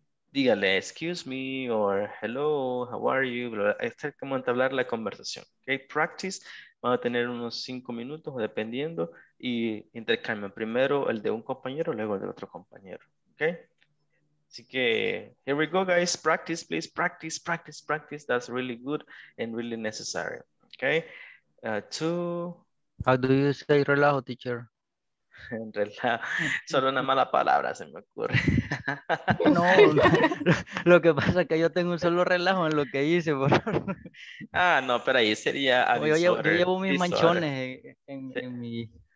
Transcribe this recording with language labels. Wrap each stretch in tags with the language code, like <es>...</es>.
<es>Dígale,</es> <en>excuse me, or hello, how are you?</en> <es>Está como entablar la conversación.</es> <en>Okay, practice.</en> <es>Van a tener unos 5 minutos, dependiendo, y intercambian primero el de un compañero, luego el del otro compañero, ¿ok? Así que,</es> <en>here we go, guys, practice, please, practice, practice, practice, that's really good and really necessary, ¿ok? How do you say relajo, teacher?</en> <es>En realidad, solo una mala palabra se me ocurre. No, lo que pasa es que yo tengo un solo relajo en lo que hice. Ah, no, pero ahí sería</es> <en>a disorder.</en> <es>Yo llevo mis disorder. Manchones en mi...</es>